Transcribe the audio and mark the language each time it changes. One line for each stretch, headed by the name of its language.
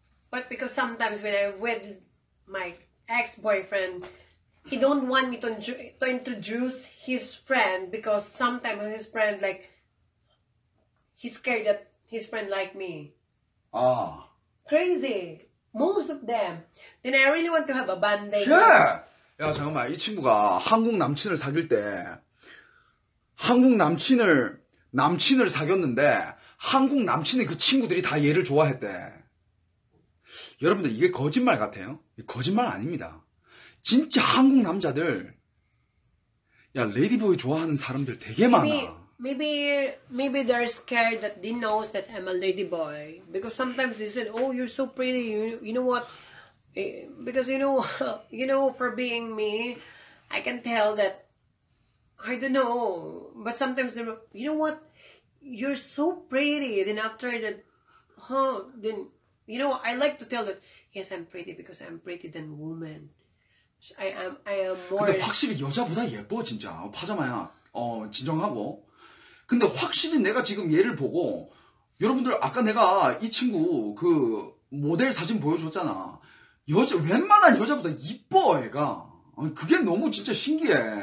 English: But because sometimes when I with my ex-boyfriend, he don't want me to introduce his friend because sometimes his friend like, he's scared that his friend like me. Ah. Crazy. Most of them. Then I really want to have a band-aid. Yeah.
Korean: 야, 잠깐만. 이 친구가 한국 남친을 사귈 때 한국 남친을 사귀었는데 한국 남친의 그 친구들이 다 얘를 좋아했대. 여러분들 이게 거짓말 같아요? 거짓말 아닙니다. 진짜 한국 남자들 야 레디보이 좋아하는 사람들 되게 많아.
English: Maybe they're scared that they knows that I'm a ladyboy because sometimes they said, oh, you're so pretty. You know what? Because you know for being me, I can tell that I don't know. But sometimes they, you know what? You're so pretty. Then after that, then. You know, I like to tell that yes, I'm pretty because I'm prettier than woman. I am more.
Korean: 근데 확실히 여자보다 예뻐 진짜 파자마야. 진정하고. 근데 확실히 내가 지금 얘를 보고 여러분들 아까 내가 이 친구 그 모델 사진 보여줬잖아. 여자 웬만한 여자보다 이뻐 얘가. 그게 너무 진짜 신기해.